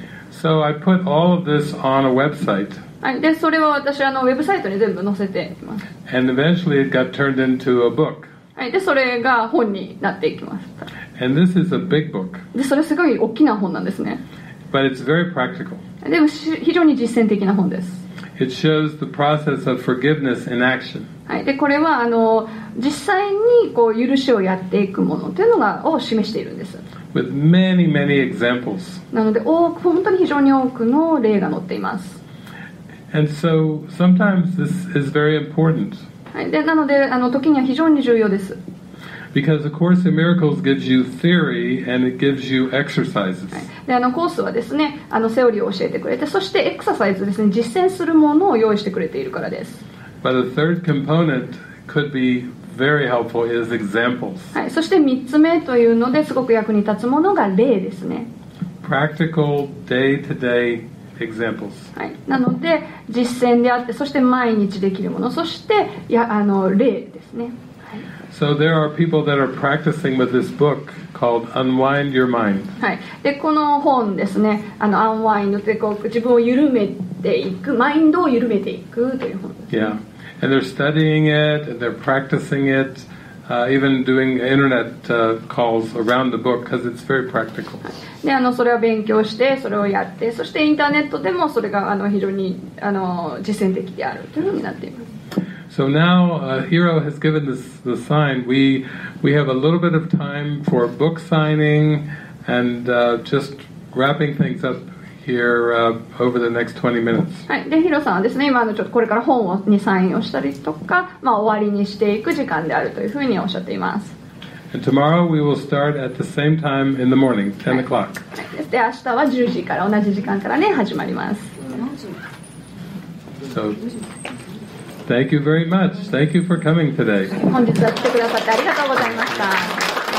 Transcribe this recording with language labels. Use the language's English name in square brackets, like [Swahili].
[English] So I put all of this on a website. [Japanese] はい、でそれは私はウェブサイトに全部載せています。 [English] And eventually it got turned into a book. [Japanese] はい、でそれが本になっていきました。 [English] And this is a big book. [Japanese] でそれすごい大きな本なんですね。 [English] But it's very practical. [Japanese] でも非常に実践的な本です。 [English] It shows the process of forgiveness in action. [Japanese] はい、でこれは実際にこう許しをやっていくものというのがを示しているんです。 [English] With many, many examples. [Japanese] なので本当に非常に多くの例が載っています。 [English] And so sometimes this is very important. [Japanese] はい、でなので時には非常に重要です。 [English] Because the Course in Miracles gives you theory and it gives you exercises、 [Japanese] はい。でコースはですねセオリーを教えてくれてそしてエクササイズですね実践するものを用意してくれているからです。 [English] But the third component could be very helpful is examples。 [Japanese] はい、そして3つ目というのですごく役に立つものが例ですね。 [English] Practical day to day. Examples. [Japanese] はい、なので実践であってそして毎日できるものそして例ですね、はい、 [English] So there are people that are practicing with this book called Unwind Your Mind. [Japanese] はい。で、この本ですね、あの、Unwind ってこう、自分を緩めていく、マインドを緩めていくという本ですね。 [English] Yeah. And they're studying it, and they're practicing it, even doing internet calls around the book because it's very practical. [Japanese] で、あの、それは勉強して、それをやって、そしてインターネットでもそれが、あの、非常に、あの、実践的であるというふうになっています。 [English] So now Hiro has given us the sign. We have a little bit of time for book signing and just wrapping things up here over the next 20 minutes. [Japanese] はい。で、Hiro さんはですね、今のちょっとこれから本にサインをしたりとか、まあ終わりにしていく時間であるというふうにおっしゃっています。 [English] And tomorrow we will start at the same time in the morning, 10 o'clock. [Japanese] はい。で、明日は10時から同じ時間からね、始まります。 [English] So... Thank you very much. Thank you for coming today. [Japanese] 本日は来てくださってありがとうございました。